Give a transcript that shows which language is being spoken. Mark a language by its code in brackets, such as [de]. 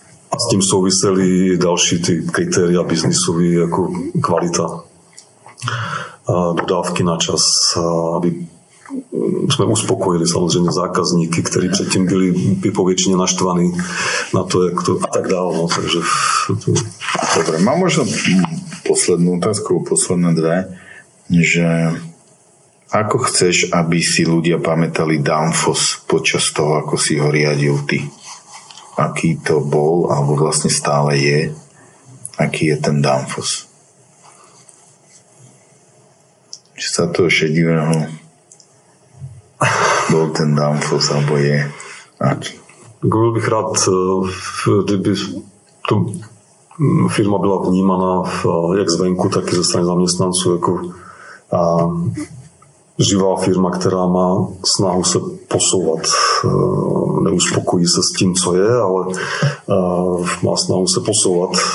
[cs] A s tím souvisely další ty kritéria biznisové, jako kvalita dodávky na čas, aby jsme uspokojili samozřejmě zákazníky, kteří předtím byli povětšině naštvaní na to, jak to a tak dále. No, takže to... [sk] Dobre, mám možno poslednú otázku, posledné dve, že ako chceš, aby si ľudia pamätali Danfoss počas toho, ako si ho riadil ty? Aký to bol, alebo vlastne stále je, aký je ten Danfoss? Či sa toho šedivého bol ten Danfoss, alebo je? [cs] Bol bych rád, kdyby to firma byla vnímaná jak zvenku, tak i ze strany zaměstnanců jako živá firma, která má snahu se posouvat. Neuspokojí se s tím, co je, ale má snahu se posouvat.